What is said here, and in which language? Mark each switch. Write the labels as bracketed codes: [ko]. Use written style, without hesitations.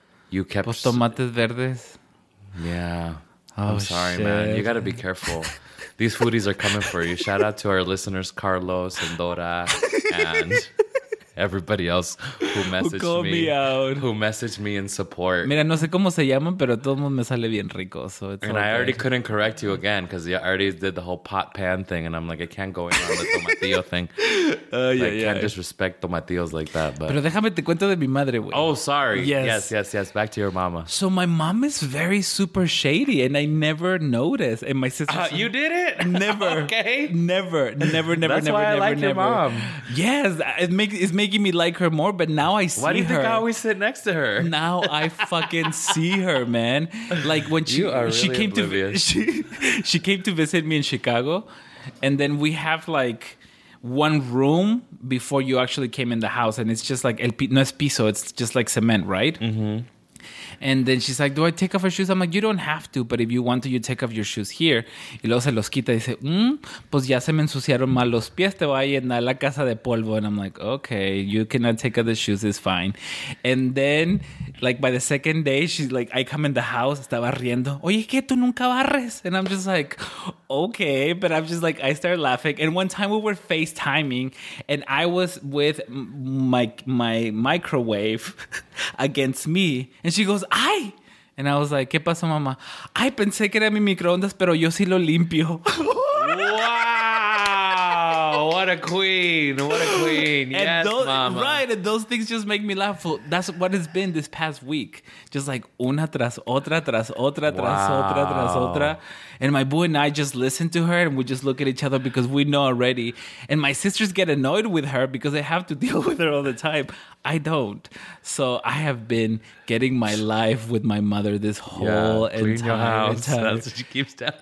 [en] You kept... [es] Pues tomates verdes. [en] Yeah. Oh, I'm sorry, shit, man. You got to be careful. These foodies are coming for you. Shout out to our listeners, Carlos and Dora and... Everybody else who messaged who messaged me in support. [es] Mira, no sé cómo se llaman, pero todo el mundo me sale bien rico. [en] So it's and I already couldn't correct you again because you already did the whole pot pan thing. And I'm like, I can't go in on the tomatillo thing. I can't disrespect tomatillos like that. But. [es] Pero déjame te cuento de mi madre, güey. [en] Oh, sorry. Yes. Back to your mama. So my mom is very super shady and I never noticed. And my sister... You did it? Never. Okay. Never. Your mom. Yes. It's making me like her more, but now I see her. Why do you her. Think I always sit next to her? Now I fucking see her, man. Like when she came to visit me in Chicago, and then we have like one room before you actually came in the house, and it's just like [es] no es piso, [en] it's just like cement, right? Mm-hmm. And then she's like, do I take off her shoes? I'm like, you don't have to, but if you want to, you take off your shoes here. [es] Y luego se los quita y dice, pues ya se me ensuciaron mal los pies, te voy a llenar la casa de polvo. [en] And I'm like, okay, you cannot take off the shoes, it's fine. And then, like, by the second day, she's like, I come in the house, [es] estaba riendo. Oye, ¿qué? ¿Tú nunca barres? [en] And I'm just like, okay. But I'm just like, I started laughing. And one time we were FaceTiming, and I was with my microwave against me. And she goes, ay! And I was like, [es] ¿qué pasó, mamá? Ay, pensé que era mi microondas, pero yo sí lo limpio. [en] Wow! What a queen. What a queen. Yes, and those, mama. Right, and those things just make me laugh. That's what it's been this past week. Just like [es] una tras otra, tras otra, tras wow. otra, tras otra. [en] And my boo and I just listen to her, and we just look at each other because we know already. And my sisters get annoyed with her because they have to deal with her all the time. I don't. So I have been getting my life with my mother this whole entire time. That's what she keeps telling